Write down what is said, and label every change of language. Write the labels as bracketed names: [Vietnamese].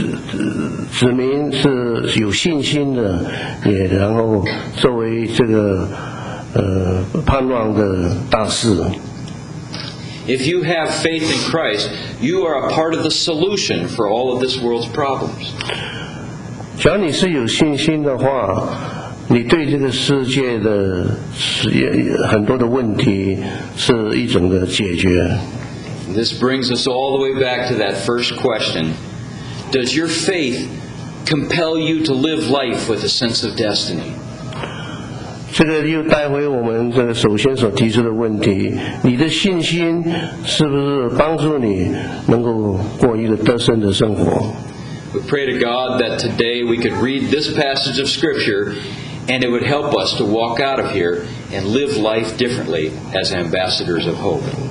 [Chinese] 让那些子民是有信心的, 也然后作为这个, 盼望的大事。 [English] If you have faith in Christ, you are a part of the solution for all of this world's problems. [Chinese] 只要你是有信心的话, 你对这个世界的很多的问题是一种的解决。 [English] This brings us all the way back to that first question. Does your faith compel you to live life with a sense of destiny? [Chinese] 这个又带回我们这个首先所提出的问题, 你的信心是不是帮助你能够过一个得胜的生活? [English] We pray to God that today we could read this passage of Scripture and it would help us to walk out of here and live life differently as ambassadors of hope.